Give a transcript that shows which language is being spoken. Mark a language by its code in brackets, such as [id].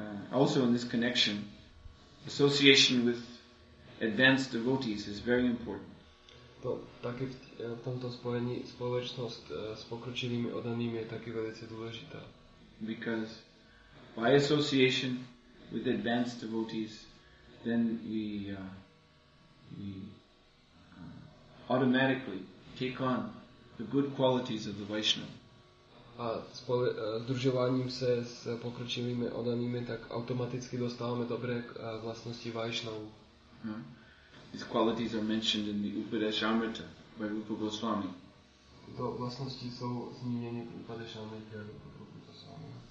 [en] Also in this connection, association with advanced devotees is very important. [cs] To taky v tomto spojení společnost s pokročilými oddanými je taky velice důležitá. [en] Because by association with advanced devotees, then we automatically take on the good qualities of the Vaishnava. [cs] Združováním se s pokročilými oddanými, tak automaticky dostáváme dobré vlastnosti Vaishnavu. [en] These qualities are mentioned in the Upadeshamrita by Rupa Goswami. [cs] To vlastnosti jsou zmíněny v Upadeshamrita Rupa Goswami.